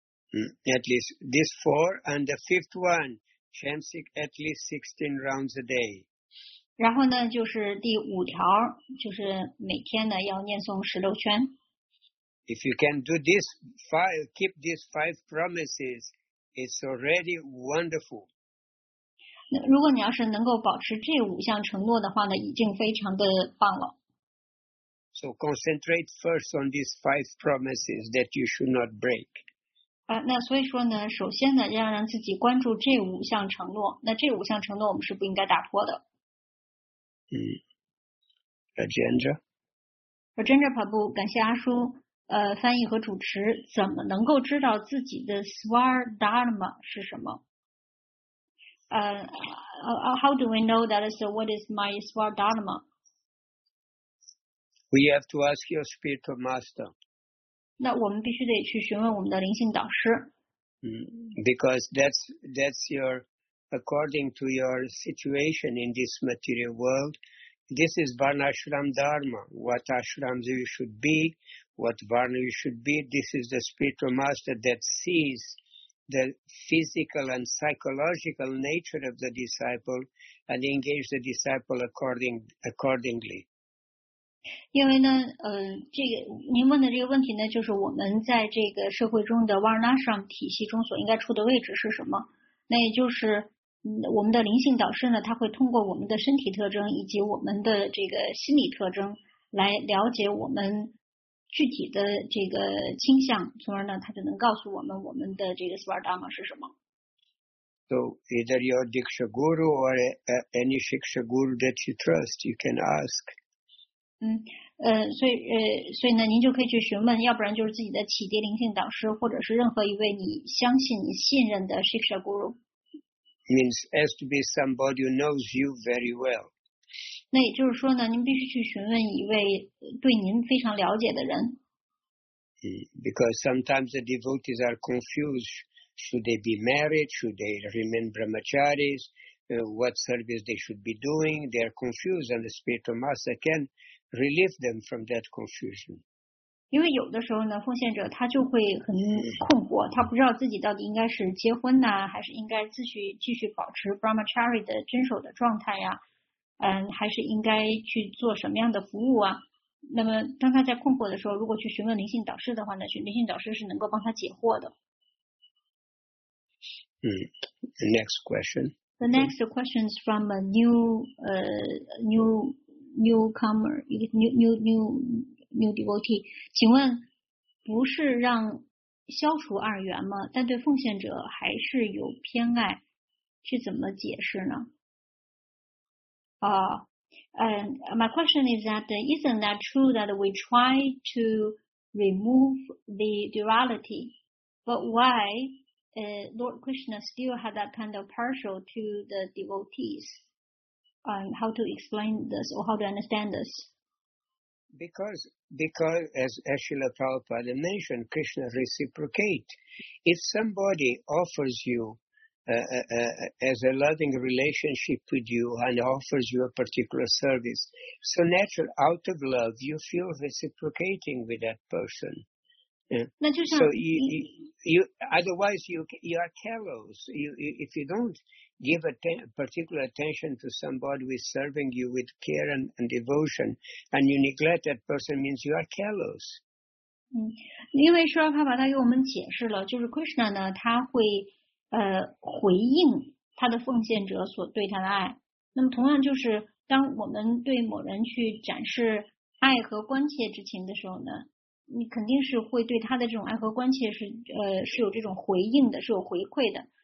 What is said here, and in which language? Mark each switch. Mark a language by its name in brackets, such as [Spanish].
[English] At least these four, and the fifth one, chant at least 16 rounds a day. [Chinese] 然后呢，就是第五条，就是每天呢要念诵十六圈。 [English] If you can do this five, keep these five promises, it's already wonderful. [Chinese] 那如果你要是能够保持这五项承诺的话呢，已经非常的棒了。 [English] So concentrate first on these five promises that you should not break. [Chinese] 那所以说呢，首先呢，要让自己关注这五项承诺。那这五项承诺，我们是不应该打破的。 Rajendra。 Rajendra Prabhu， 感谢阿叔，翻译和主持。怎么能够知道自己的 Swardharma 是什么？ [English] How do we know that is what is my Swardharma？ We have to ask your spiritual master. [Chinese] 那我们必须得去询问我们的灵性导师。 [English] Because that's your, according to your situation in this material world, this is Varnashram Dharma. What ashrams you should be, what varna you should be, this is the spiritual master that sees the physical and psychological nature of the disciple and engage the disciple accordingly. [Chinese] 因为呢，这个您问的这个问题呢，就是我们在这个社会中的 Varnashram 体系中所应该处的位置是什么？那也就是我们的灵性导师呢，他会通过我们的身体特征以及我们的这个心理特征来了解我们具体的这个倾向，从而呢，他就能告诉我们我们的这个 Svardhamma 是什么。 [English] So either your Diksha Guru or any Shiksha Guru that you trust, you can ask. [Chinese] 所以呢，您就可以去询问，要不然就是自己的启迪灵性导师，或者是任何一位你相信、你信任的 Shiksha Guru。 [English] Means has to be somebody who knows you very well. [Chinese] 那也就是说呢，您必须去询问一位对您非常了解的人。 [English] Because sometimes the devotees are confused. Should they be married? Should they remain brahmacharis? What service they should be doing? They are confused, and the spiritual master can relieve them from that confusion. [Chinese] 因为有的时候呢，奉献者他就会很困惑，他不知道自己到底应该是结婚呢，还是应该继续保持 brahmachari 的遵守的状态呀？还是应该去做什么样的服务啊？那么当他在困惑的时候，如果去询问灵性导师的话呢，灵性导师是能够帮他解惑的。 [English] The next question. The next question is from a new devotee. [Chinese] 请问，不是让消除二缘吗？但对奉献者还是有偏爱，是怎么解释呢？ [English] My question is that isn't that true that we try to remove the duality, but why? Lord Krishna still had that kind of partial to the devotees. How to explain this or how to understand this? Because as Srila Prabhupada mentioned, Krishna reciprocate. If somebody offers you as a loving relationship with you and offers you a particular service, so naturally, out of love, you feel reciprocating with that person. Yeah. So otherwise you are callous. If you don't give particular attention to somebody who is serving you with care and devotion, and you neglect that person, means you are callous. [Chinese] 因为释迦牟尼佛他给我们解释了，就是 Krishna 呢，他会回应他的奉献者所对他的爱。那么同样就是当我们对某人去展示爱和关切之情的时候呢。你肯定是会对他的这种爱和关切是有这种回应的，是有回馈的。